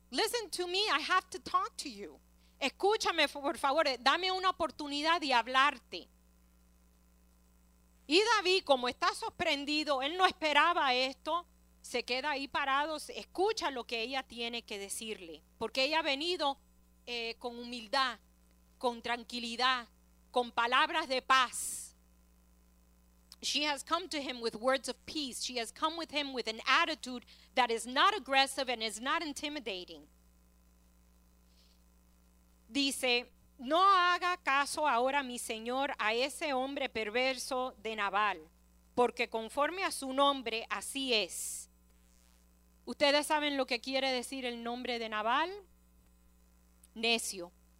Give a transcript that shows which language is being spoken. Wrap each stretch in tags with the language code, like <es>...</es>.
<en>Listen to me, I have to talk to you.</en> <es>Escúchame, por favor, dame una oportunidad de hablarte. Y David, como está sorprendido, él no esperaba esto, se queda ahí parado, escucha lo que ella tiene que decirle. Porque ella ha venido con humildad, con tranquilidad, con palabras de paz.</es> <en>She has come to him with words of peace. She has come with him with an attitude that is not aggressive and is not intimidating.</en> <es>Dice, no haga caso ahora, mi señor, a ese hombre perverso de Nabal, porque conforme a su nombre, así es. ¿Ustedes saben lo que quiere decir el nombre de Nabal? Necio.</es>